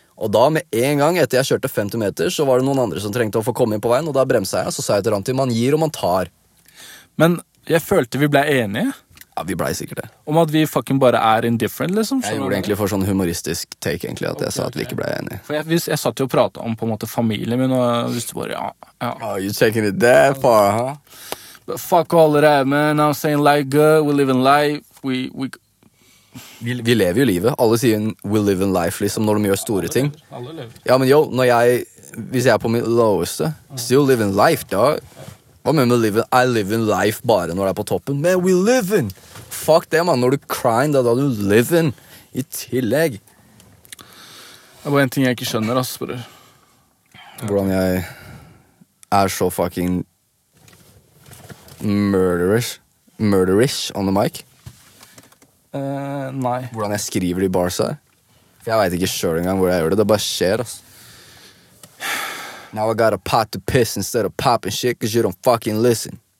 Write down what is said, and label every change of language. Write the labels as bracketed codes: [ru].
[no] Og da, med en gang etter jeg kjørte 50 meter, så var det noen andre som trengte å få komme inn på veien, og da bremset jeg, så sa jeg til Ranti, man gir og man tar. Men jeg følte vi ble enige. Ja, vi ble sikkert det. Om at vi fucking bare er indifferent, liksom. Jeg gjorde det egentlig for sånn humoristisk take, egentlig, at okay, jeg sa at vi ikke ble enige. For jeg satt jo og pratet om, på en måte, familien min, og hvis du bare, ja. [en] Oh, you're taking it that far, huh? But fuck all of that, man. I'm saying like, good, we live in life, [no] Vi lever jo livet. Alle sier en [en] we live in life, [no] liksom, når de gjør store ting. Alle lever. Ja, men jo, hvis jeg er på mitt loweste, [en] still live in life, [no] da. Hva mener du, [en] I live in life [no] bare når du er på toppen? [en] Man, we live in! [no] Fuck det, man, når du crying, da du live in. I tillegg. Det er bare en ting jeg ikke skjønner, ass, bror. Hvordan jeg er så fucking [en] murderish on the mic? [no] Nei. Hvordan jeg skriver de bars her? For jeg vet ikke selv engang hvor jeg gjør det, det bare skjer, ass. [en] Now I got a pot to piss instead of popping shit, cause you don't fucking listen.